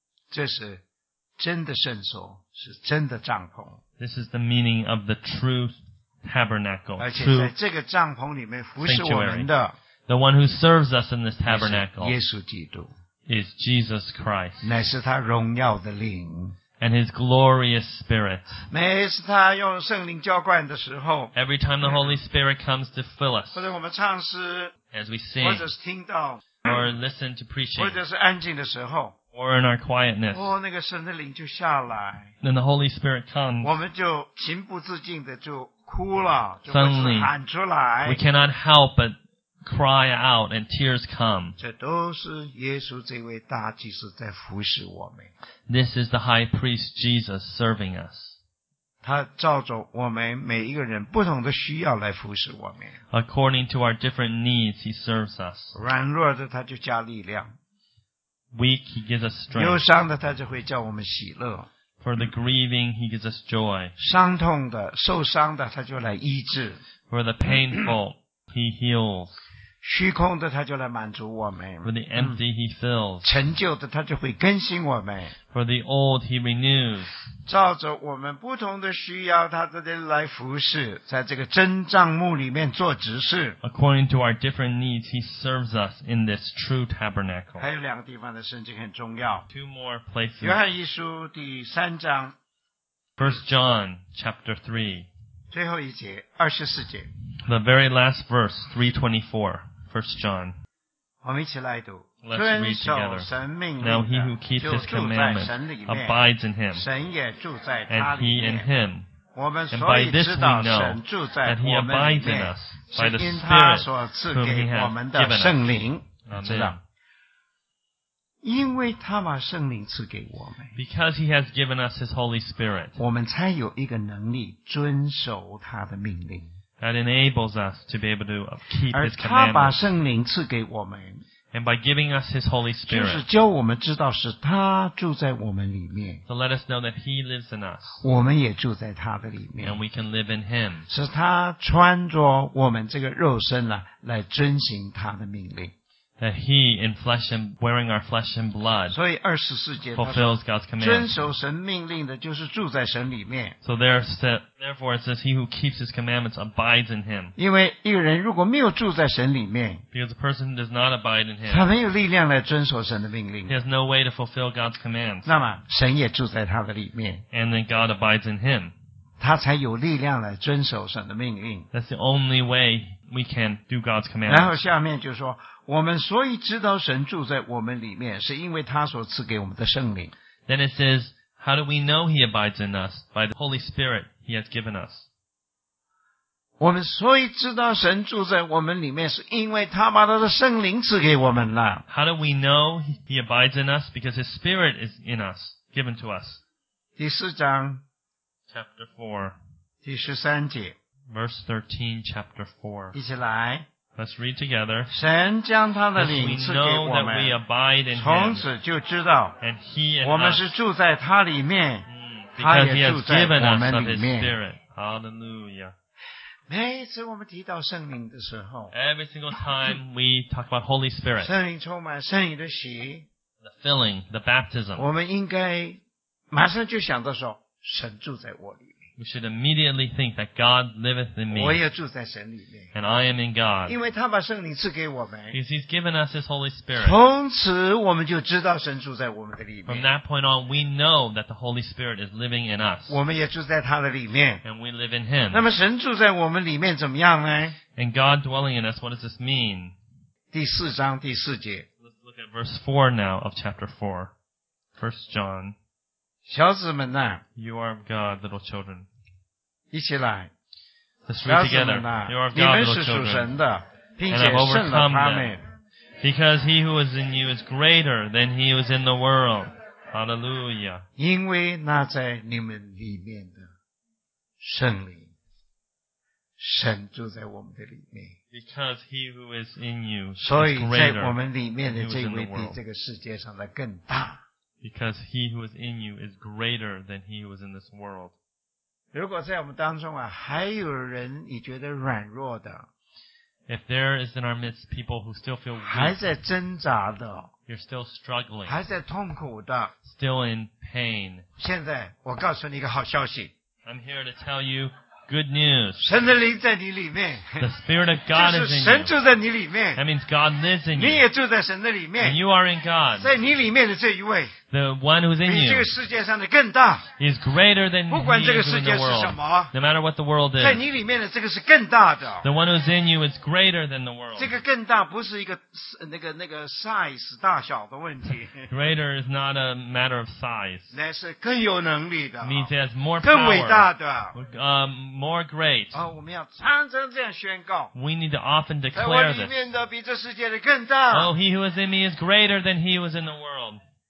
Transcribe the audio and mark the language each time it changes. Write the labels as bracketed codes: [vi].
[zh] 这是真的圣所，是真的帐篷。 [en] This is the meaning of the true tabernacle. [zh] 而且在这个帐篷里面服侍我们的。 [en] The one who serves us in this tabernacle. [zh] 耶稣基督。 [en] Is Jesus Christ. [zh] 乃是他荣耀的灵。 [en] And his glorious spirit. [zh] 每次他用圣灵浇灌的时候。 [en] Every time the Holy Spirit comes to fill us. [zh] 或者我们唱诗。 [en] As we sing. [zh] 或者是听到。 [en] Or listen to preaching. [zh] 或者是安静的时候, [en] or in our quietness. [zh] 哦, 那个神的灵就下来, [en] then the Holy Spirit comes. [zh] 我们就情不自禁的就哭了, [en] suddenly, [zh] 就喊出来, [en] we cannot help but cry out and tears come. [zh] 这都是耶稣这位大祭司在服侍我们。 [en] This is the High Priest Jesus serving us. [zh] 他照着我们每一个人不同的需要来服侍我们。 [en] According to our different needs, he serves us. [zh] 软弱的他就加力量。 [en] Weak, he gives us strength. [zh] 忧伤的他就会叫我们喜乐。 [en] For the grieving, he gives us joy. [zh] 伤痛的、受伤的，他就来医治。 [en] For the painful, he heals. [zh] 虚空的，他就来满足我们。 [en] For the empty, he fills. [zh] 陈旧的，他就会更新我们。 [en] For the old, he renews. [zh] 照着我们不同的需要，他这边来服侍，在这个真帐幕里面做执事。 [en] According to our different needs, he serves us in this true tabernacle. [zh] 还有两个地方的圣经很重要。 [en] Two more places. [zh] 约翰一书第三章。 [en] First John chapter 3. [zh] 最后一节二十四节 [en] The very last verse 324 1 John [zh] 我们一起来读 [en] Let's read together. Now he who keeps his commandments abides in him, and he in him. And by this we know that he abides in us by the Spirit whom he has given us. Amen. [zh] 因为他把圣灵赐给我们 [en] Because he has given us his Holy Spirit, [zh] 我们才有一个能力遵守他的命令 [en] That enables us to be able to keep his commandments. [zh] 而他把圣灵赐给我们 [en] And by giving us his Holy Spirit, [zh] 就是教我们知道是他住在我们里面 [en] So let us know that he lives in us. [zh] 我们也住在他的里面 [en] And we can live in him. [zh] 是他穿着我们这个肉身来遵行他的命令 [en] That he, in flesh and wearing our flesh and blood, fulfills God's command. [zh] 遵守神命令的就是住在神里面。 [en] So therefore it says, he who keeps his commandments abides in him. [zh] 因为一个人如果没有住在神里面, [en] Because a person does not abide in him, [zh] 他没有力量来遵守神的命令。 [en] He has no way to fulfill God's commands. [zh] 那么神也住在他的里面。 [en] And then God abides in him. [zh] 他才有力量来遵守神的命令。 [en] That's the only way we can do God's commands. [zh] 然后下面就说我们所以知道神住在我们里面是因为他所赐给我们的圣灵 [en] Then it says How do we know he abides in us? By the Holy Spirit he has given us [zh] 我们所以知道神住在我们里面是因为他把他的圣灵赐给我们了 [en] How do we know he abides in us? Because his Spirit is in us given to us [zh] 第四章 [en] Chapter 4 [zh] 第十三节 [en] Verse 13 Chapter 4 [zh] 一起来 [en] Let's read together. [zh] 神将他的灵赐给我们 [en] we know that we abide in him, [zh] 从此就知道 [en] and he in us, [zh] 我们是住在他里面 [en] because he has given us of his spirit. Hallelujah. [zh] 每次我们提到圣灵的时候 [en] Every single time we talk about Holy Spirit, [zh] 圣灵充满圣灵的洗 [en] the filling, the baptism, [zh] 我们应该马上就想到说神住在我里面 [en] We should immediately think that God liveth in me. [zh] 我也住在神里面。 [en] And I am in God. [zh] 因为他把圣灵赐给我们。 [en] Because he's given us his Holy Spirit. [zh] 从此我们就知道神住在我们的里面。 [en] From that point on, we know that the Holy Spirit is living in us. [zh] 我们也住在他的里面。 [en] And we live in him. [zh] 那么神住在我们里面怎么样呢? [en] And God dwelling in us, what does this mean? [zh] 第四章第四节。 [en] Let's look at verse 4 now of chapter 4. 1 John. [zh] 小子们呐 [en] You are of God, little children. [zh] 一起来 [en] Let's read together. You are of God, little children. And I've overcome them. Because he who is in you is greater than he who is in the world. Hallelujah. [zh] 因为那在你们里面的圣灵神住在我们的里面 [en] Because he who is in you is greater than he who is in the world. [zh] 比这个世界上的更大 [en] Because he who is in you is greater than he who is in this world. [zh] 如果在我们当中啊，还有人你觉得软弱的 [en] ，If there is in our midst people who still feel weak, [zh] 还在挣扎的 [en] ，You're still struggling, [zh] 还在痛苦的 [en] ，Still in pain. [zh] 现在我告诉你一个好消息 [en] ，I'm here to tell you good news. [zh] 神的灵在你里面 [en] ，The Spirit of God is in you. [zh] 就是神住在你里面 [en] ，That means God lives in you. [zh] 你也住在神的里面 [en] ，And you are in God. [zh] 在你里面的这一位。 [en] The one who's in you is greater than he who's in the world. No matter what the world is, the one who's in you is greater than the world. [zh] 这个更大不是一个那个 size 大小的问题 [en] Greater is not a matter of size. [zh] 乃是更有能力的 [en] means it has more power. [zh] 更伟大的 [en] more great. [zh] 我们要常常这样宣告 [en] We need to often declare this. [zh] 在我里面的比这世界的更大 [en] Oh, he who is in me is greater than he who is in the world.